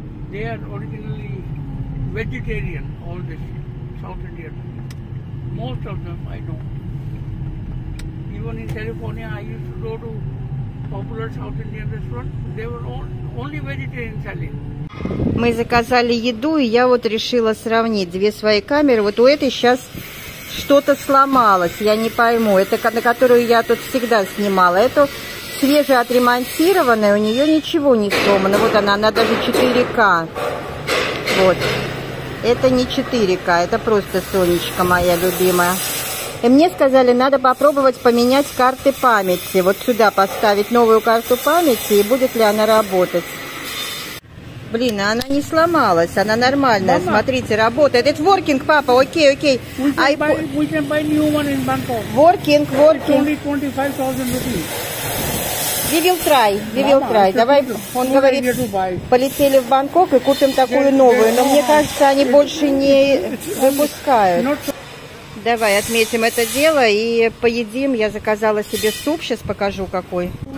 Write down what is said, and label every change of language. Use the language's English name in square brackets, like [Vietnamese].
[English] They are originally vegetarian, all this South Indian. Most of them I know. Even in California I used to go to popular South Indian restaurant, they were only vegetarian selling. [Russian] Мы заказали еду, и я вот решила сравнить две свои камеры. Вот у этой сейчас что-то сломалось, я не пойму. Это на которую я тут всегда снимала. Эту свежеотремонтированную, у нее ничего не сломано. Вот она даже 4К. Вот. Это не 4К, это просто Сонечка моя любимая. И мне сказали, надо попробовать поменять карты памяти. Вот сюда поставить новую карту памяти, и будет ли она работать. Блин, она не сломалась, она нормальная. Мама. Смотрите, работает. [English] It's working, папа, окей. We can buy new one in Bangkok. Working. Only 25,000 rupees. We will try. [Russian] Mama, давай, он говорит, полетели в Бангкок и купим такую новую. Но мне кажется, они больше не выпускают. Давай, отметим это дело и поедим. Я заказала себе суп, сейчас покажу какой.